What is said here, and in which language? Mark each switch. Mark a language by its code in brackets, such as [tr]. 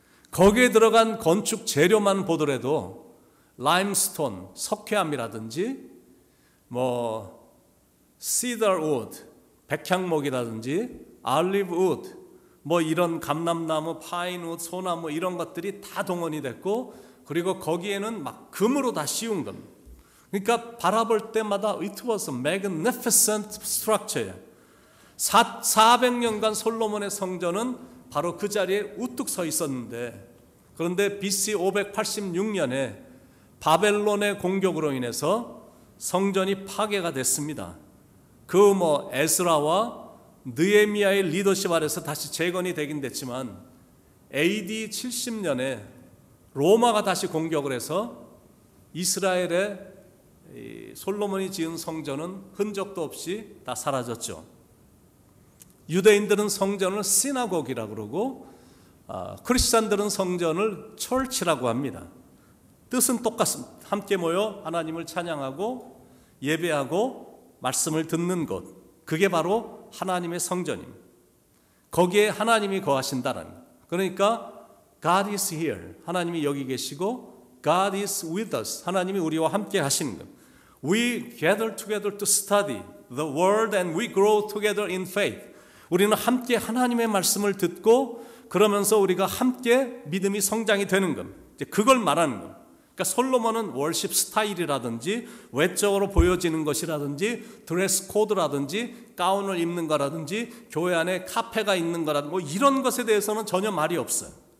[ko] 거기에 들어간 건축 재료만 보더라도 라임스톤, 석회암이라든지 뭐 시더우드, 백향목이라든지 알리브우드, 뭐 이런 감람나무, 파인우드, 소나무 이런 것들이 다 동원이 됐고 그리고 거기에는 막 금으로 다 씌운 겁니다. 그러니까 바라볼 때마다 [en] It was a magnificent structure. [ko] 400년간 솔로몬의 성전은 바로 그 자리에 우뚝 서 있었는데 그런데 BC 586년에 바벨론의 공격으로 인해서 성전이 파괴가 됐습니다. 그 뭐 에스라와 느헤미야의 리더십 아래서 다시 재건이 되긴 됐지만 AD 70년에 로마가 다시 공격을 해서 이스라엘의 이 솔로몬이 지은 성전은 흔적도 없이 다 사라졌죠. 유대인들은 성전을 시나고기라고 그러고 크리스찬들은 성전을 철치라고 합니다. 뜻은 똑같습니다. 함께 모여 하나님을 찬양하고 예배하고 말씀을 듣는 곳. 그게 바로 하나님의 성전입니다. 거기에 하나님이 거하신다는. 그러니까 [en] God is here. [ko] 하나님이 여기 계시고 [en] God is with us. [ko] 하나님이 우리와 함께 하시는 것. [en] We gather together to study the word and we grow together in faith. [ko] 우리는 함께 하나님의 말씀을 듣고 그러면서 우리가 함께 믿음이 성장이 되는 것. 이제 그걸 말하는 것. 그러니까 솔로몬은 worship 스타일이라든지 외적으로 보여지는 것이라든지 드레스 코드라든지 가운을 입는 거라든지 교회 안에 카페가 있는 거라든지 뭐 이런 것에 대해서는 전혀 말이 없어요.